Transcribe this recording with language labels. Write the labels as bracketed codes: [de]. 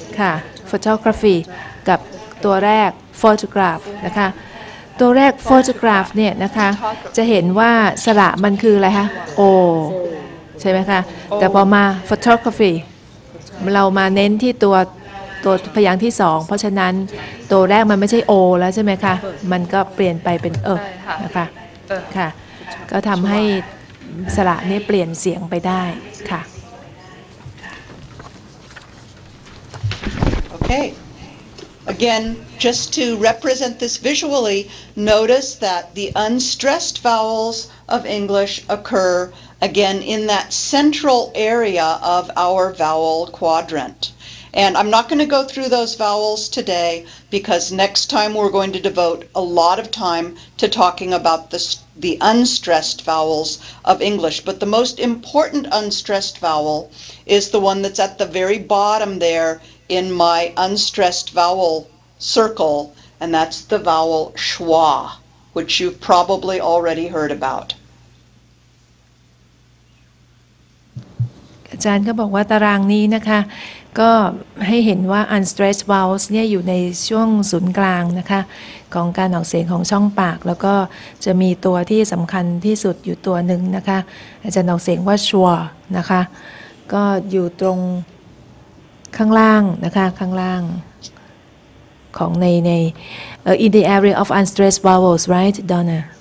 [th] ค่ะ photography กับตัวแรก photograph นะคะตัวแรก photograph เนี่ยนะคะจะเห็นว่าสระมันคืออะไรคะ o ใช่ไหมคะแต่พอมา photography เรามาเน้นที่ตัวพยางค์ที่2เพราะฉะนั้นตัวแรกมันไม่ใช่ o แล้วใช่ไหมคะมันก็เปลี่ยนไปเป็นเออนะคะค่ะก็ทำให้สระนี้เปลี่ยนเสียงไปได้ค่ะ [en] โอเค again just to represent this visually notice that the unstressed vowels of English occur again in that central area of our vowel quadrant and I'm not going to go through those vowels today because next time we're going to devote a lot of time to talking about the unstressed vowels of English. But the most important unstressed vowel is the one that's at the very bottom there in my unstressed vowel circle, and that's the vowel schwa, which you've probably already heard about. [th] อาจารย์ก็บอกว่าตารางนี้นะคะก็ให้เห็นว่า unstressed vowels เนี่ยอยู่ในช่วงศูนย์กลางนะคะของการออกเสียงของช่องปากแล้วก็จะมีตัวที่สำคัญที่สุดอยู่ตัวหนึ่งนะคะอาจารย์ออกเสียงว่า schwa นะคะก็อยู่ตรงข้างล่างนะคะข้างล่างของใน [en] in the area of unstressed vowels right Donna